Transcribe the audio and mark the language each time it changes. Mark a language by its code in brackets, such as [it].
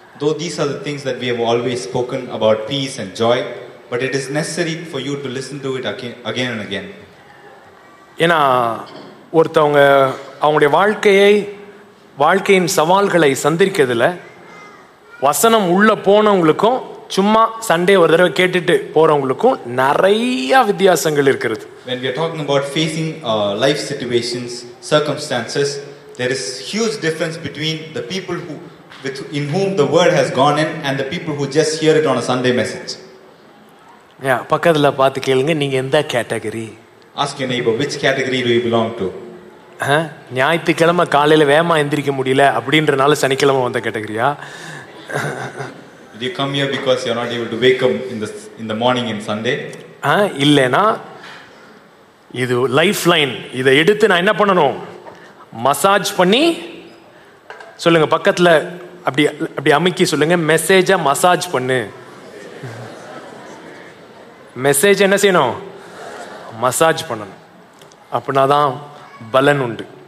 [en] Though these are the things that we have always spoken about, peace and joy, but it is necessary for you to listen to it again and again. [ta] ஏன்னா ஒருத்தவங்க அவங்களுடைய வாழ்க்கையின் சவால்களை சந்திக்கிறதுல வசனம் உள்ள போனவங்களுக்கும் சும்மா சண்டே ஒரு தடவை கேட்டுட்டு போறவங்களுக்கும் நிறைய வித்தியாசங்கள் இருக்கிறது. [en] When we are talking about facing life situations, circumstances, there is huge difference between the people who in whom the word has gone in and the people who just hear it on a Sunday message. [ta] Yeah, பக்கத்துல பாத்து கேளுங்க, நீங்க எந்த category? [en] Ask your neighbor, which category do you belong to? [ta] ஞாயிற்றுக்கிழமை காலையில வேமா எந்திரிக்க முடியல அப்படின்றனால சனிக்கிழமை வந்த கேட்டகரியா? [en] Do you come here because you're not able to wake up in the morning in Sunday? [ta] இல்லனா இது லைஃப் லைன், இத எடுத்து நான் என்ன பண்ணனும், மசாஜ் பண்ணி சொல்லுங்க பக்கத்துல, அப்படி அப்படி அமுக்கி சொல்லுங்க, மெசேஜா மசாஜ் பண்ணு. மெசேஜ் என்ன செய்யணும், மசாஜ் பண்ணணும், அப்படின்னாதான் பலன் உண்டு.